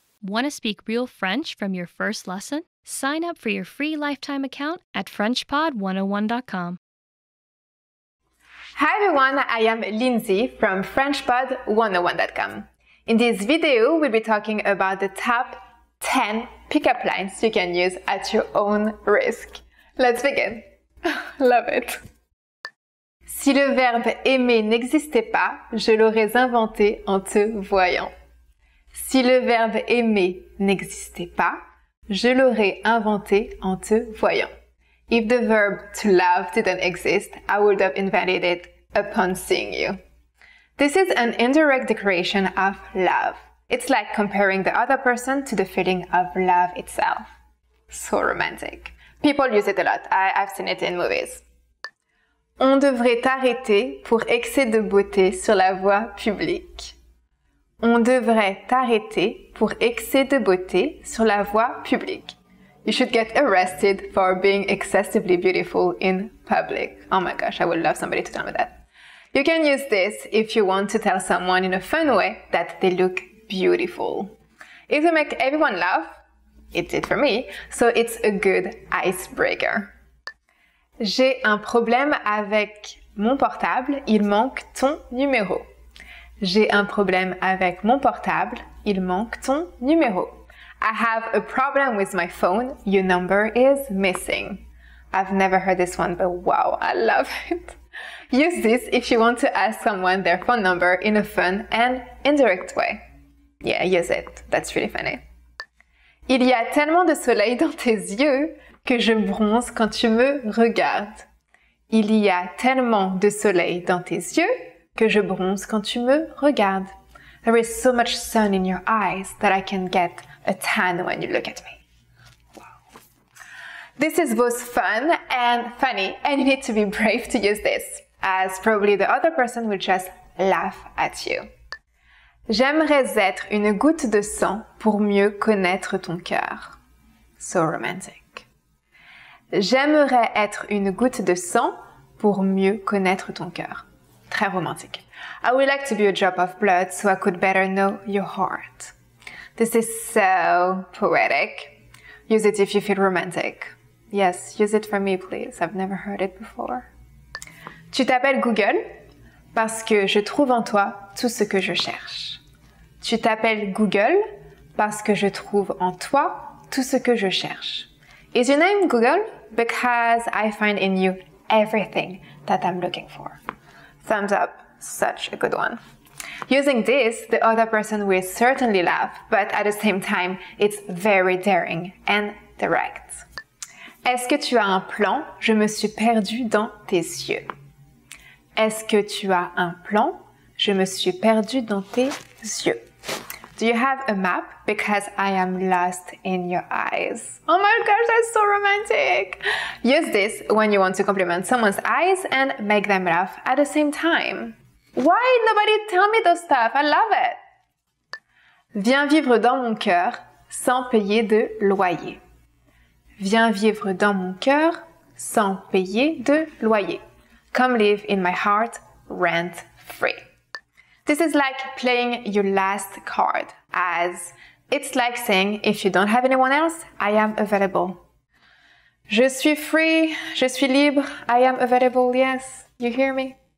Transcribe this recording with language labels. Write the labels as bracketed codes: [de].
[en] Want to speak real French from your first lesson? Sign up for your free lifetime account at FrenchPod101.com. Hi everyone, I am Lindsay from FrenchPod101.com. In this video, we'll be talking about the top 10 pickup lines you can use at your own risk. Let's begin. Love it. [fr] Si le verbe aimer n'existait pas, je l'aurais inventé en te voyant. Si le verbe aimer n'existait pas, je l'aurais inventé en te voyant. [en] If the verb to love didn't exist, I would have invented it upon seeing you. This is an indirect declaration of love. It's like comparing the other person to the feeling of love itself. So romantic. People use it a lot. I've seen it in movies. [fr] On devrait t'arrêter pour excès de beauté sur la voie publique. On devrait t'arrêter pour excès de beauté sur la voie publique. [en] You should get arrested for being excessively beautiful in public. Oh my gosh, I would love somebody to tell me that. You can use this if you want to tell someone in a fun way that they look beautiful. If you make everyone laugh, it did for me, so it's a good icebreaker. [fr] J'ai un problème avec mon portable, il manque ton numéro. J'ai un problème avec mon portable, il manque ton numéro. [en] I have a problem with my phone, your number is missing. I've never heard this one, but wow, I love it. Use this if you want to ask someone their phone number in a fun and indirect way. Yeah, use it, that's really funny. [fr] Il y a tellement de soleil dans tes yeux que je bronze quand tu me regardes. Il y a tellement de soleil dans tes yeux que je bronze quand tu me regardes. [en] There is so much sun in your eyes that I can get a tan when you look at me. Wow. This is both fun and funny, and you need to be brave to use this, as probably the other person will just laugh at you. [fr] J'aimerais être une goutte de sang pour mieux connaître ton cœur. [en] So romantic. [fr] J'aimerais être une goutte de sang pour mieux connaître ton cœur. Très romantique. [en] I would like to be a drop of blood so I could better know your heart. This is so poetic. Use it if you feel romantic. Yes, use it for me, please. I've never heard it before. [fr] Tu t'appelles Google parce que je trouve en toi tout ce que je cherche. Tu t'appelles Google parce que je trouve en toi tout ce que je cherche. [en] Is your name Google? Because I find in you everything that I'm looking for. Thumbs up. Such a good one. Using this, the other person will certainly laugh, but at the same time, it's very daring and direct. [fr] Est-ce que tu as un plan? Je me suis perdue dans tes yeux. Est-ce que tu as un plan? Je me suis perdue dans tes yeux. [en] Do you have a map? Because I am lost in your eyes. Oh my gosh, that's so romantic! Use this when you want to compliment someone's eyes and make them laugh at the same time. Why nobody tell me those stuff? I love it! [fr] Viens vivre dans mon cœur sans payer de loyer. Viens vivre dans mon cœur sans payer de loyer. [en] Come live in my heart rent free. This is like playing your last card, as it's like saying, if you don't have anyone else, I am available. [fr] Je suis free, je suis libre, [en] I am available, yes, you hear me?